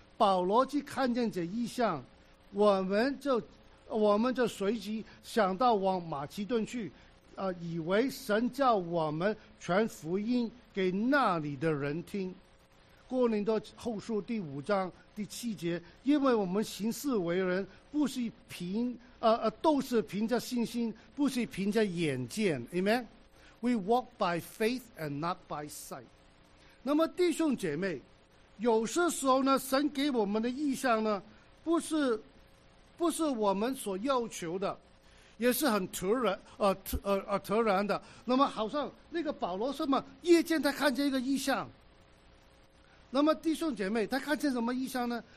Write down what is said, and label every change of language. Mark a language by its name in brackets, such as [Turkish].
[Chinese] 保罗去看见这异象，我们就随即想到往马其顿去，以为神叫我们传福音给那里的人听。哥林多后书第五章第七节，因为我们行事为人不是凭都是凭着信心，不是凭着眼见。 Amen。 [English] We walk by faith and not by sight。 [Chinese] 那么弟兄姐妹，有些时候呢，神给我们的意象呢，不是我们所要求的，也是很突然的。那么好像那个保罗什么夜间他看见一个异象，那么弟兄姐妹，他看见什么异象呢？